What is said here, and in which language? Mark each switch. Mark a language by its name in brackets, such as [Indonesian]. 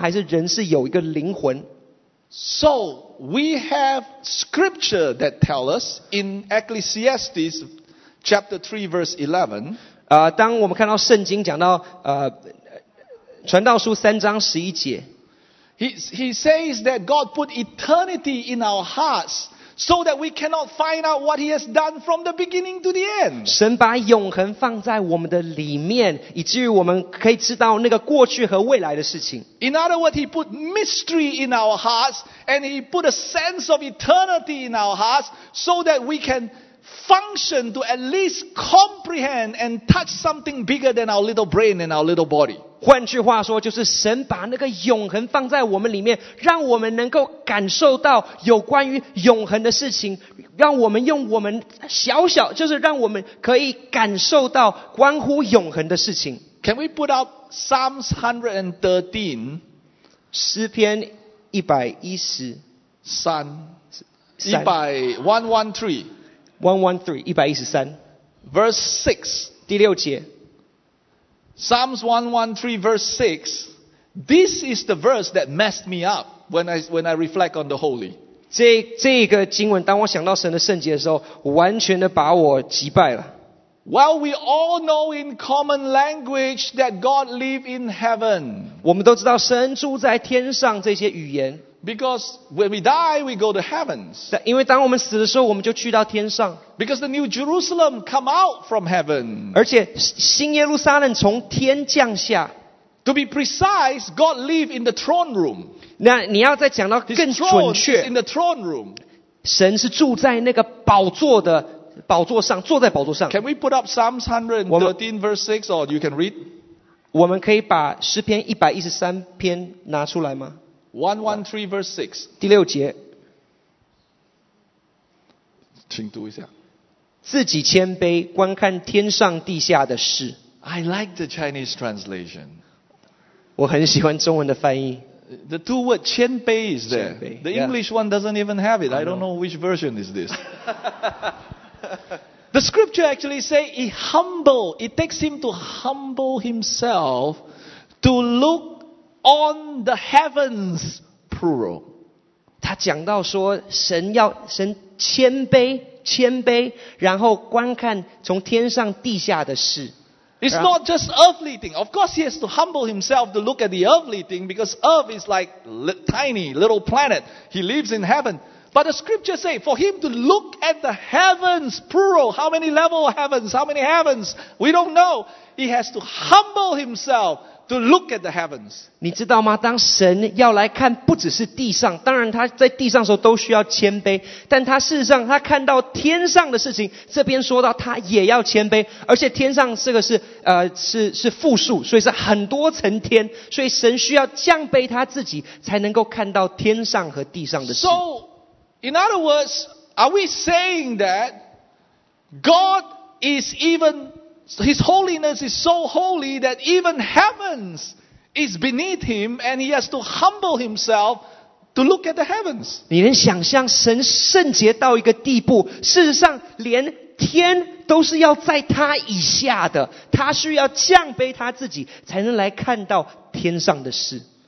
[Chinese] 还是人是有一个灵魂？ [English] So we have scripture that tell us in Ecclesiastes chapter 3 verse 11. [Chinese] 当我们看到圣经讲到传道书三章十一节。 [English] He says that God put eternity in our hearts so that we cannot find out what he has done from the beginning to the end. [Chinese] 神把永恒放在我们的里面，以至于我们可以知道那个过去和未来的事情。 [English] In other words, he put mystery in our hearts and he put a sense of eternity in our hearts so that we canfunction to at least comprehend and touch something bigger than our little brain and our little body. [Chinese] 换句话说，就是神把那个永恒放在我们里面，让我们能够感受到有关于永恒的事情，让我们用我们小小，就是让我们可以感受到关乎永恒的事情。 [English] Can we put up Psalms 113? [Chinese] 诗篇113。三。一百 ,113。 [English] Verse 6. [Chinese] 第六节。 [English] Psalms 113 verse 6. This is the verse that messed me up when I reflect on the holy. [Chinese] 这个经文当我想到神的圣洁的时候完全的把我击败了。 [English] Well, we all know in common language that God lives in heaven. [Chinese] 我们都知道神住在天上这些语言。 [English] Because when we die, we go to heavens. [Chinese] 因为当我们死的时候我们就去到天上。 [English] Because the new Jerusalem come out from heaven. [Chinese] 而且新耶路撒冷从天降下。 [English] To be precise, God lives in the throne room. [Chinese] 那你要再讲到更准确。 [English] His throne is in the throne room. [Chinese] 神是住在那个宝座的宝座上，坐在宝座上。 [English] Can we put up Psalms 113 verse 6 or you can read? [Chinese] 我们可以把诗篇113篇拿出来吗？ [English] 113 verse 6. [Chinese] 第六节。请读一下。自己谦卑，观看天上地下的事。 [English] I like the Chinese translation. [Chinese] 我很喜欢中文的翻译。 [English] The two word 谦卑 is there. The English one doesn't even have it. I don't know which version is this. The scripture actually say it takes him to humble himself to look on the heavens, plural. [Chinese] 他讲到说神谦卑然后观看从天上地下的事。 [English] It's not just earthly thing. Of course he has to humble himself to look at the earthly thing because earth is like tiny little planet. He lives in heaven. But the scripture say, for him to look at the heavens, plural, how many level heavens, how many heavens, we don't know. He has to humble himself to look at the heavens. [Chinese] 你知道吗？当神要来看不只是地上，当然他在地上的时候都需要谦卑，但他事实上他看到天上的事情，这边说到他也要谦卑，而且天上这个是复数，所以是很多层天，所以神需要降卑他自己，才能够看到天上和地上的事。 [English] So,In other words, are we saying that God is even, His holiness is so holy that even heavens is beneath Him and He has to humble Himself to look at the heavens? [Chinese] 你能想象神圣洁到一个地步，事实上连天都是要在他以下的，他需要降卑他自己才能来看到天上的事。